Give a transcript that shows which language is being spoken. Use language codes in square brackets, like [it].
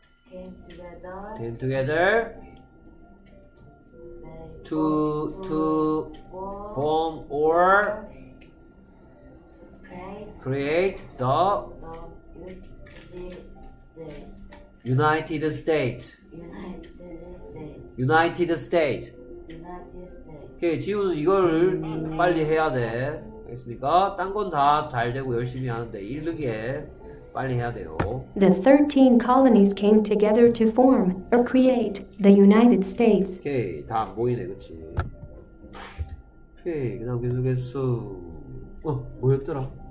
[en] came together to form or create the United States. [ko] 오케이, 지우는 이거를 빨리 해야 돼. 알겠습니까? 딴 건 다 잘 되고 열심히 하는데 이르게 빨리 해야 돼요. [en] The 13 colonies came together to form or create the United States. [ko] 오케이, 다 보이네, 그치? 오케이, 그 다음 계속해서 뭐였더라?